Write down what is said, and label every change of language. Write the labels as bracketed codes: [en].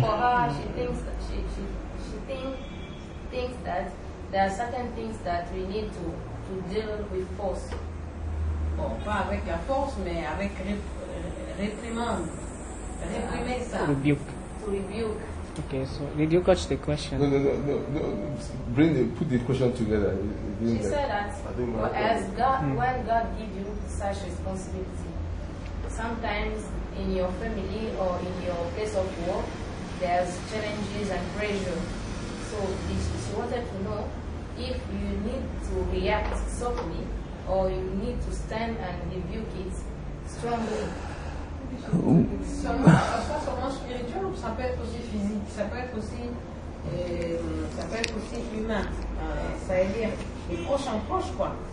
[en] For her, she thinks that there are certain things that we need to deal with force. [fr] Bon, pas avec la force, mais avec réprimande. Réprimer ça. [en] To rebuke. Okay, so did you catch the question? No. Put the question together. When God gives you such responsibility, sometimes in your family or in your place of work, there's challenges and pressure. So she wanted to know if you need to react softly or you need to stand and rebuke it strongly. [fr] Pas seulement spirituel, ça peut être aussi physique, ça peut être aussi humain. Ça veut dire les proches en proche, quoi.